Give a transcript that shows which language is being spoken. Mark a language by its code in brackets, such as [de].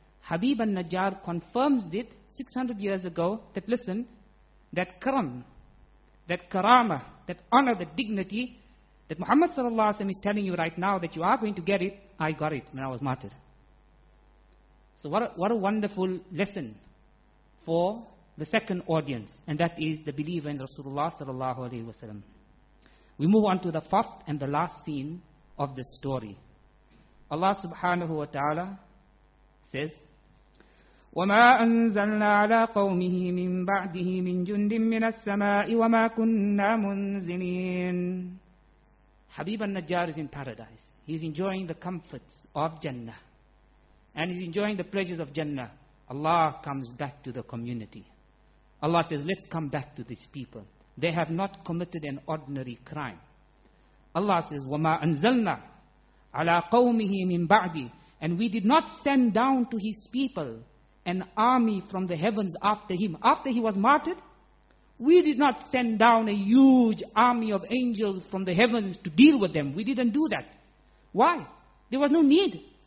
[en] Habib al-Najjar confirms it 600 years ago that listen, that karam, that karama, that honor, that dignity that Muhammad sallallahu alaihi wasallam is telling you right now that you are going to get it, I got it when I was martyred. So what a wonderful lesson for the second audience, and that is the believer in Rasulullah sallallahu alaihi wasallam. We move on to the fourth and the last scene of the story. Allah subhanahu wa ta'ala says, [ar] وَمَا أَنزَلْنَا عَلَىٰ قَوْمِهِ مِن بَعْدِهِ مِن جُنْدٍ مِنَ السَّمَاءِ وَمَا كُنَّا مُنزِلِينَ. [en] Habib al-Najjar is in paradise. He's enjoying the comforts of Jannah. And he's enjoying the pleasures of Jannah. Allah comes back to the community. Allah says, let's come back to these people. they have not committed an ordinary crime. Allah says, [ar] وَمَا أَنزَلْنَا عَلَىٰ قَوْمِهِ مِن بَعْدِ. [en] And we did not send down to his people an army from the heavens after him. After he was martyred, we did not send down a huge army of angels from the heavens to deal with them. We didn't do that. Why? There was no need.